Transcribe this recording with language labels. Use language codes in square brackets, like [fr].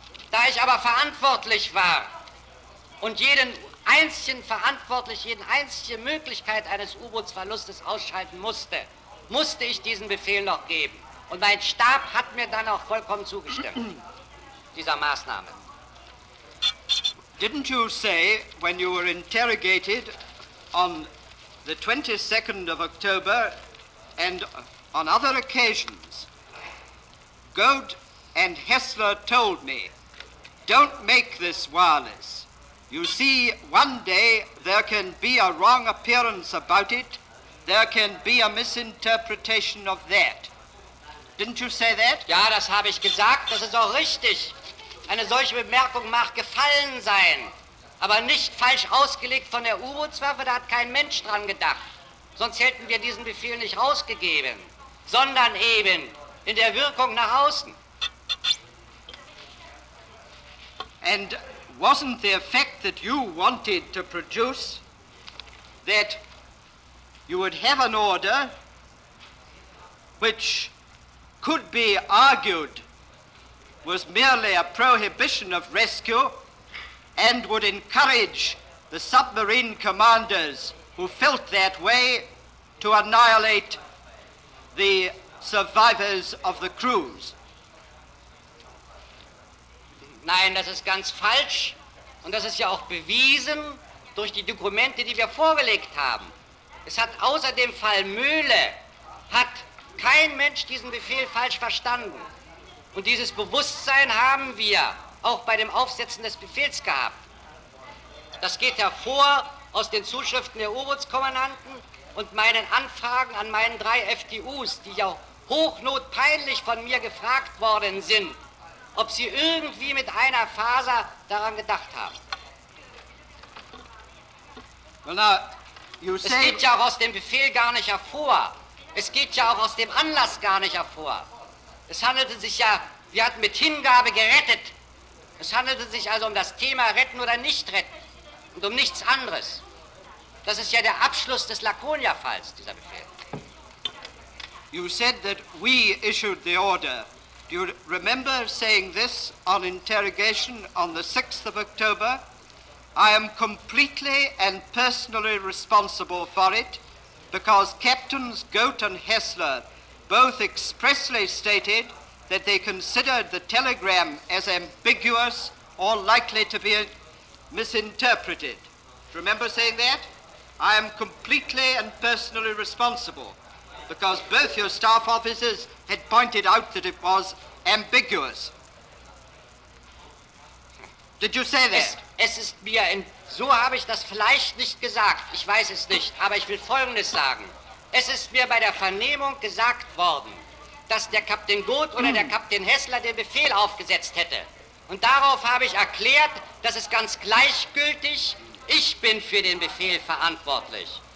[de] Da ich aber verantwortlich war und jede einzige Möglichkeit eines U-Bootsverlustes ausschalten musste, musste ich diesen Befehl noch geben. Und mein Stab hat mir dann auch vollkommen zugestimmt, dieser Maßnahme. [en] Didn't you say, when you were interrogated on the 22nd of October and on other occasions, Goad and Hessler told me, don't make this wireless. You see, one day there can be a wrong appearance about it, there can be a misinterpretation of that. Didn't you say that? [de] Ja, das habe ich gesagt, das ist auch richtig. Eine solche Bemerkung mag gefallen sein, aber nicht falsch ausgelegt von der U-Bootswaffe, da hat kein Mensch dran gedacht. Sonst hätten wir diesen Befehl nicht rausgegeben, sondern eben in der Wirkung nach außen. [en] And wasn't the effect that you wanted to produce that you would have an order which could be argued was merely a prohibition of rescue and would encourage the submarine commanders who felt that way to annihilate the survivors of the crews? [de] Nein, das ist ganz falsch. Und das ist ja auch bewiesen durch die Dokumente, die wir vorgelegt haben. Es hat außer dem Fall Mühle, hat kein Mensch diesen Befehl falsch verstanden. Und dieses Bewusstsein haben wir auch bei dem Aufsetzen des Befehls gehabt. Das geht hervor aus den Zuschriften der U-Boots-Kommandanten und meinen Anfragen an meinen drei FTUs, die ja hochnotpeinlich von mir gefragt worden sind, ob sie irgendwie mit einer Faser daran gedacht haben. [en] Well, now, you say, [de] es geht ja auch aus dem Befehl gar nicht hervor. Es geht ja auch aus dem Anlass gar nicht hervor. Es handelte sich ja, wir hatten mit Hingabe gerettet. Es handelte sich also um das Thema retten oder nicht retten. Und um nichts anderes. Das ist ja der Abschluss des Laconia-Falls, dieser Befehl. [en] You said that we issued the order. Do you remember saying this on interrogation on the 6th of October? I am completely and personally responsible for it because Captains Goat and Hessler both expressly stated that they considered the telegram as ambiguous or likely to be misinterpreted. Do you remember saying that? I am completely and personally responsible because both your staff officers had pointed out that it was ambiguous. Did you say that? [de] Es ist mir, so habe ich das vielleicht nicht gesagt, ich weiß es nicht, aber ich will Folgendes sagen. Es ist mir bei der Vernehmung gesagt worden, dass der Kapitän Goth oder der Kapitän Hessler den Befehl aufgesetzt hätte. Und darauf habe ich erklärt, das ist ganz gleichgültig, ich bin für den Befehl verantwortlich.